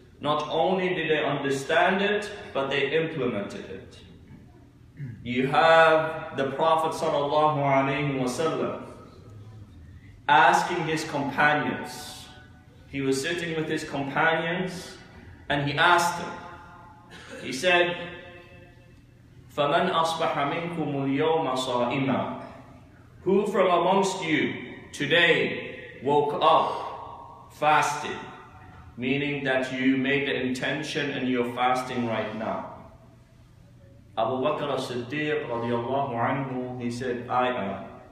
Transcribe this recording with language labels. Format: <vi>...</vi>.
<en>Not only did they understand it, but they implemented it. You have the Prophet sallallahu alaihi wasallam asking his companions. He was sitting with his companions and he asked them. He said,</en> <ar>فَمَنْ أَصْبَحَ مِنْكُمُ الْيَوْمَ صَائِمًا?</ar> <en>Who from amongst you today woke up fasting? Meaning that you made the intention and you're fasting right now. Abu Bakr as-Siddiq radiallahu anhu, he said, I am.</en>